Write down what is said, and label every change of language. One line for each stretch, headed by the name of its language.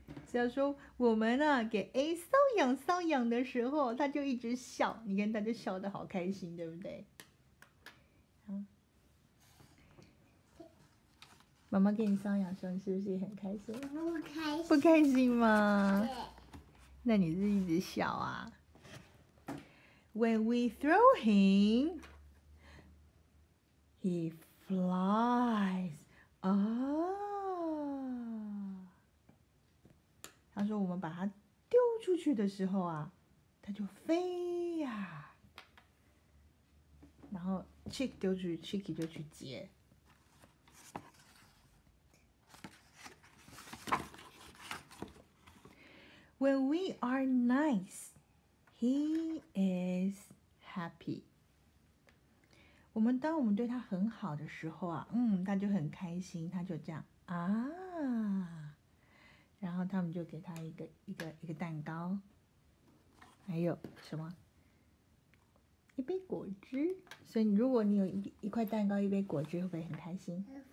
Chinese: 所以说我们呢、给 A 搔痒搔痒的时候，他就一直笑。你看他就笑得好开心，对不对？妈妈给你搔痒的时候，你是不是也很开心？不开心。不开心吗？对。那你是一直笑啊 ？
English: When we throw him. He flies.
Chinese: 哦，他说我们把他丢出去的时候啊，他就飞呀。然后 Chick 丢出去 ，Chicky 就去接。
English: When we are nice, he is happy.
Chinese: 我们当我们对他很好的时候啊，他就很开心，他就这样啊，然后他们就给他一个蛋糕，还有什么一杯果汁。所以如果你有一块蛋糕一杯果汁，会不会很开心？